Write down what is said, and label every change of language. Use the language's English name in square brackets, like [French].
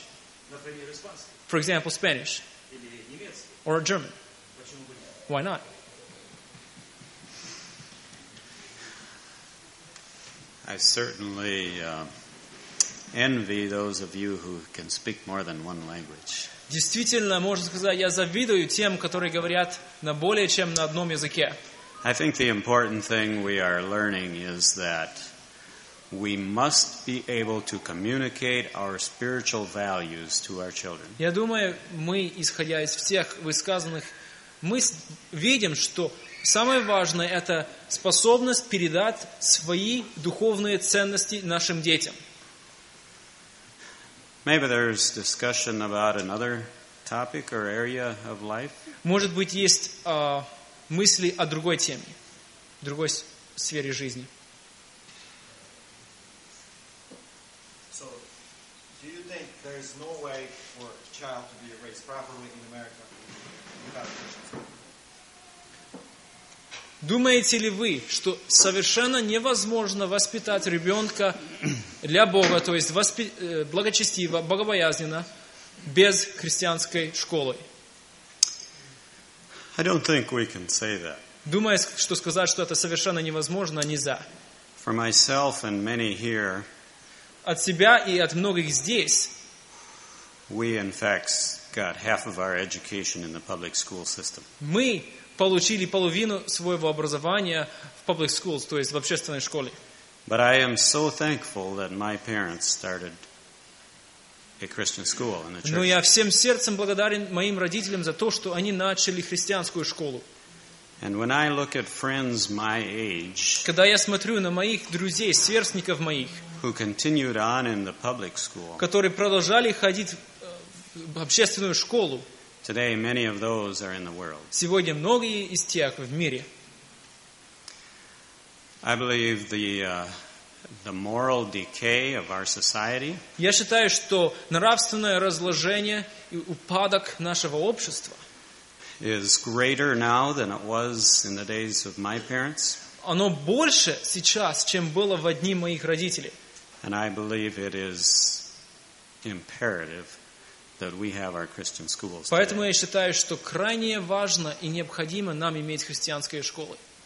[English] For example, Spanish. Or German. Why not? I certainly envy those of you who can speak more than one language. [Russian] Действительно, можно сказать, я завидую тем, которые говорят на более чем на одном языке. [English] I think the important thing we are learning is that we must be able to communicate our spiritual values to our children. [Russian] Я думаю, мы, исходя из всех высказанных, мы видим, что самое важное – это способность передать свои духовные ценности нашим детям. [English] Maybe there's discussion about another topic or area of life. [Russian] Может быть, есть мысли о другой теме, другой сфере жизни. [English] So, do you think there is no way for a child to be raised properly in America without Christianity? [Russian] Думаете ли вы, что совершенно невозможно воспитать ребенка для Бога, то есть благочестиво, богобоязненно, без христианской школы? [English] I don't think we can say that. [Russian] Думаю, что сказать, что это совершенно невозможно, нельзя. [English] For myself and many here, [Russian] от себя и от многих здесь, мы получили половину своего образования в [English] public schools, [Russian] то есть в общественной школе. [English] But I am so thankful that my parents started a Christian school in the church. [Russian] Но я всем сердцем благодарен моим родителям за то, что они начали христианскую школу. [English] And when I look at friends my age, [Russian] когда я смотрю на моих друзей, сверстников моих, [English] who continued on in the public school, [Russian] которые продолжали ходить в общественную школу, [English] today many of those are in the world. [Russian] Сегодня многие из тех в мире. [English] I believe the moral decay of our society. [Russian] Я считаю, что нравственное разложение и упадок нашего общества [English] is greater now than it was in the days of my parents. [Russian] оно больше сейчас, чем было в дни моих родителей. [English] And I believe it is imperative that we have our Christian schools. [Russian] Поэтому я считаю, что крайне важно и необходимо нам иметь христианские школы.